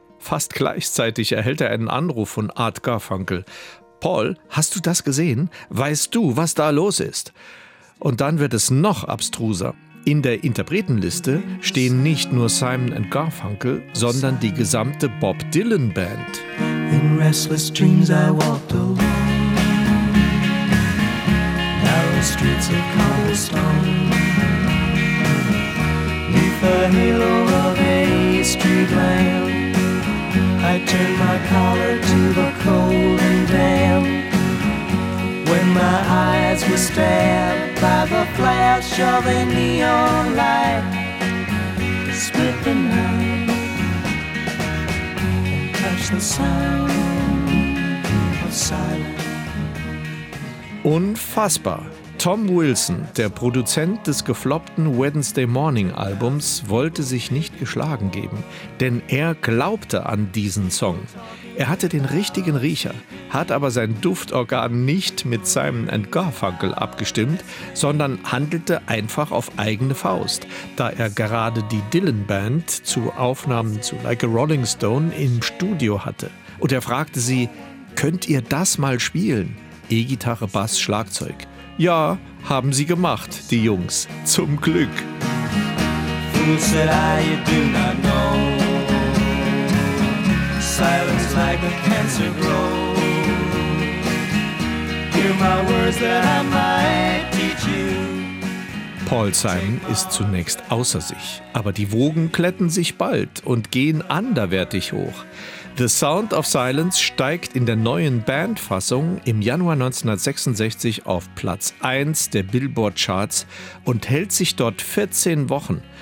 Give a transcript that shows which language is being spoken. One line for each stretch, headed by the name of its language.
German: Fast gleichzeitig erhält er einen Anruf von Art Garfunkel. Paul, hast du das gesehen? Weißt du, was da los ist? Und dann wird es noch abstruser. In der Interpretenliste stehen nicht nur Simon and Garfunkel, sondern die gesamte Bob Dylan Band.
English: In restless dreams I walked alone. Streets of cobblestone. Neath the halo of a street lamp, I turned my collar to the cold and damp. When my eyes were stabbed by the flash of a neon light, split the night and touched the sound of silence.
German: Unfassbar. Tom Wilson, der Produzent des gefloppten Wednesday Morning Albums, wollte sich nicht geschlagen geben, denn er glaubte an diesen Song. Er hatte den richtigen Riecher, hat aber sein Duftorgan nicht mit Simon and Garfunkel abgestimmt, sondern handelte einfach auf eigene Faust, da er gerade die Dylan Band zu Aufnahmen zu Like a Rolling Stone im Studio hatte. Und er fragte sie, könnt ihr das mal spielen? E-Gitarre, Bass, Schlagzeug. Ja, haben sie gemacht, die Jungs. Zum Glück.
English: Fool said I, you do not know. Silence like a cancer grows. Hear my words that I might teach you.
German: Paul Simon ist zunächst außer sich, aber die Wogen kletten sich bald und gehen anderwertig hoch. The Sound of Silence steigt in der neuen Bandfassung im Januar 1966 auf Platz 1 der Billboard-Charts und hält sich dort 14 Wochen.